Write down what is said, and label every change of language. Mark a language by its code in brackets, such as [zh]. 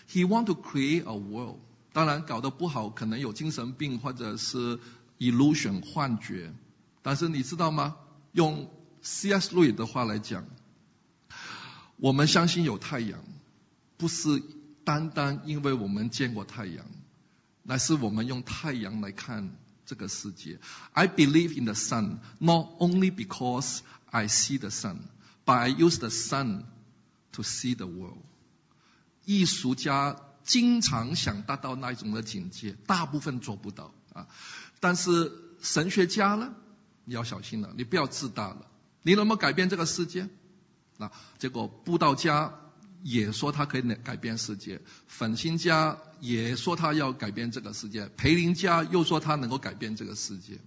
[en] He want to create a world， [zh] 当然搞得不好可能有精神病或者是 illusion 幻觉。但是你知道吗，用C.S. Lewis 的话来讲，我们相信有太阳，不是单单因为我们见过太阳，乃是我们用太阳来看这个世界。 [en] I believe in the sun not only because I see the sun but I use the sun to see the world. [zh] 艺术家经常想达到那种的境界，大部分做不到啊。但是神学家呢，你要小心了，你不要自大了，你能不能改变这个世界？那结果布道家也说他可以改变世界，粉心家也说他要改变这个世界，培林家又说他能够改变这个世界。